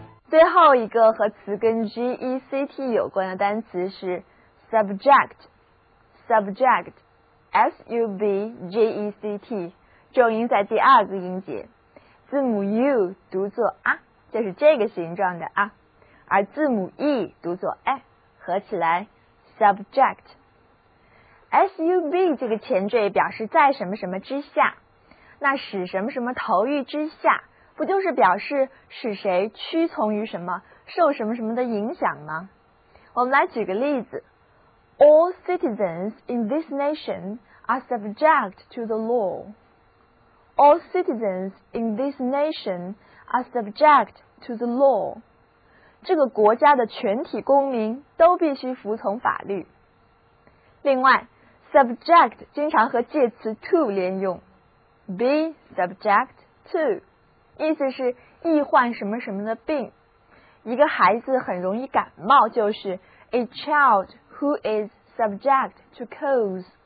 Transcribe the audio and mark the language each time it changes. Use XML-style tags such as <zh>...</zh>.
<zh>最后一个和词根 GECT 有关的单词是 subject subject SUBJECT， 重音在第二个音节，字母 U 读作 啊， 就是这个形状的 啊， 而字母 E 读作 a， 合起来 subject。 SUB 这个前缀表示在什么什么之下，那使什么什么投于之下，不就是表示使谁屈从于什么，受什么什么的影响吗？我们来举个例子，</zh> <en>All citizens in this nation are subject to the law. All citizens in this nation are subject to the law.</en> <zh>这个国家的全体公民都必须服从法律。另外， subject 经常和介词 to 连用， be subject to，意思是易患什么什么的病。一个孩子很容易感冒就是</zh> <en>A child who is subject to colds.</en>